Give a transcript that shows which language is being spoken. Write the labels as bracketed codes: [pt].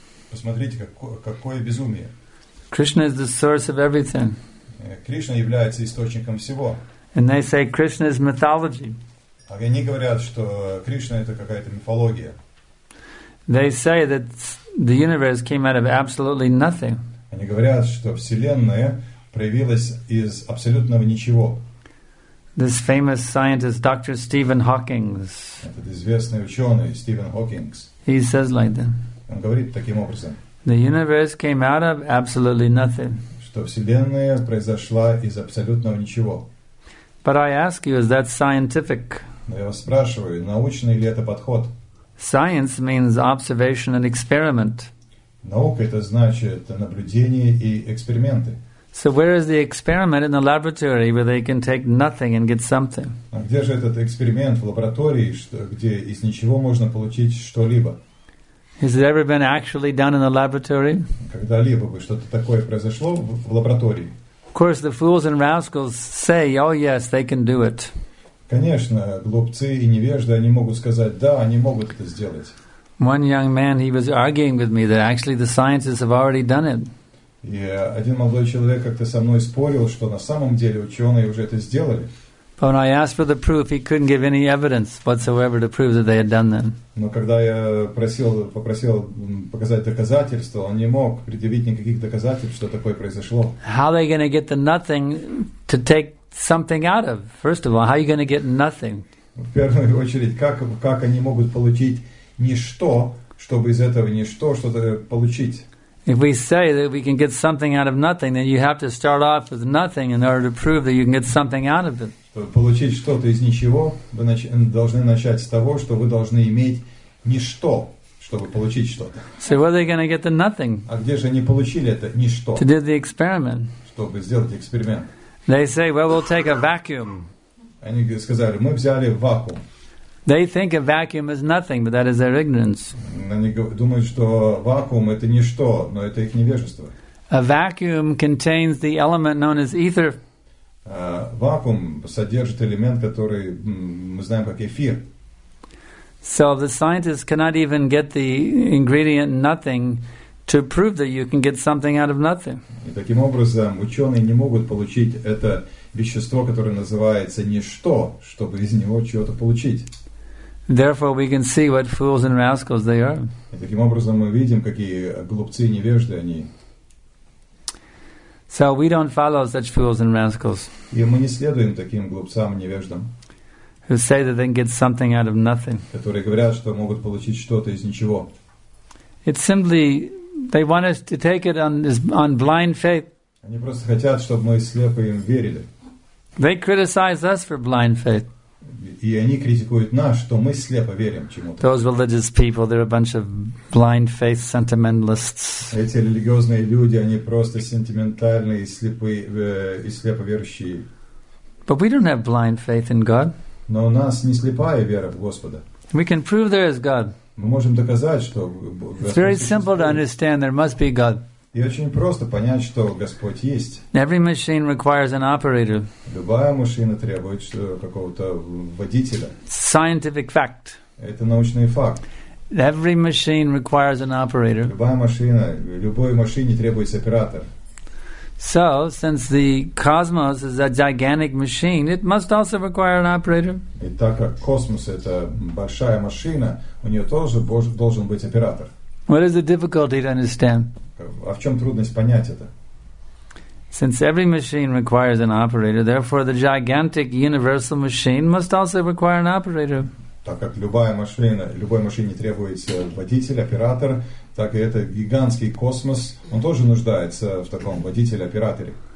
[ru] Посмотрите, какое безумие. [en] Krishna is the source of everything. [ru] Кришна является источником всего. [en] And they say Krishna is mythology. [ru] Они говорят, что Кришна это какая-то мифология. [en] They say that the universe came out of absolutely nothing. [ru] Они говорят, что вселенная проявилась из абсолютного ничего. [en] This famous scientist, Dr. Stephen Hawking. [ru] Этот известный ученый Стивен Хокинг. [en] He says like that. [ru] Он говорит таким образом. [en] The universe came out of absolutely nothing. [ru] Что Вселенная произошла из абсолютного ничего. [en] But I ask you, is that scientific? [ru] Но я вас спрашиваю, научный ли это подход? [en] Science means observation and experiment. [ru] Наука — это значит наблюдение и эксперименты. [en] So where is the experiment in the laboratory where they can take nothing and get something? [ru] А где же этот эксперимент в лаборатории, где из ничего можно получить что-либо? [en] Has it ever been actually done in a laboratory? [ru] Когда-либо бы что-то такое произошло в лаборатории? [en] Of course, the fools and rascals say, "Oh yes, they can do it." [ru] Конечно, глупцы и невежды они могут сказать, да, они могут это сделать. [en] One young man, he was arguing with me that actually the scientists have already done it. [ru] И один молодой человек как-то со мной спорил, что на самом деле ученые уже это сделали. [en] But when I asked for the proof, he couldn't give any evidence whatsoever to prove that they had done that. [ru] Но когда я попросил показать доказательства, он не мог предъявить никаких доказательств, что такое произошло. [en] How are they going to get the nothing to take something out of? First of all, how are you going to get nothing? [ru] В первую очередь, как они могут получить ничто, чтобы из этого ничто что-то получить? [en] If we say that we can get something out of nothing, then you have to start off with nothing in order to prove that you can get something out of it. [ru] Получить что-то из ничего, вы должны начать с того, что вы должны иметь ничто, чтобы получить что-то. [en] So where are they going to get the nothing? [ru] А где же они получили это ничто? [en] To do the experiment. [ru] Чтобы сделать эксперимент. [en] They say, well, we'll take a vacuum. [ru] Они сказали, мы взяли вакуум. [en] They think a vacuum is nothing, but that is their ignorance. [ru] Они думают, что вакуум это ничто, но это их невежество. [en] A vacuum contains the element known as ether. [ru] Вакуум содержит элемент, который мы знаем как эфир. [en] So the scientists cannot even get the ingredient nothing to prove that you can get something out of nothing. [ru] И таким образом ученые не могут получить это вещество, которое называется ничто, чтобы из него чего-то получить. [en] Therefore, we can see what fools and rascals they are. [ru] И таким образом мы видим, какие глупцы и невежды они. [en] So we don't follow such fools and rascals. [ru] И мы не следуем таким глупцам и невеждам. [en] Who say that they can get something out of nothing. [ru] Которые говорят, что могут получить что-то из ничего. [en] It's simply they want us to take it on blind faith. [ru] Они просто хотят, чтобы мы слепо им верили. [en] They criticize us for blind faith. [ru] И они критикуют нас, что мы слепо верим чему-то. [en] Those religious people, they're a bunch of blind faith sentimentalists. [ru] Эти религиозные люди, они просто сентиментальные и слепые и слепо верующие. [en] But we don't have blind faith in God. [ru] Но у нас не слепая вера в Господа. [en] We can prove there is God. [ru] Мы можем доказать, что Господь. [en] It's very simple to understand there must be God. [ru] И очень просто понять, что Господь есть. [en] Every machine requires an operator. [ru] Любая машина требует какого-то водителя. [en] Scientific fact. [ru] Это научный факт. [en] Every machine requires an operator. [ru] Любая машина, любой машине требуется оператор. [en] So, since the cosmos is a gigantic machine, it must also require an operator. [ru] И так как космос — это большая машина, у нее тоже должен быть оператор. [en] What is the difficulty to understand? [ru] А в чем трудность понять это? [en] Since every machine requires an operator, therefore the gigantic universal machine must also require an operator. [ru] Так как любая машина, любой машине требуется водитель, оператор, так и этот гигантский космос, он тоже нуждается в таком водителе-операторе.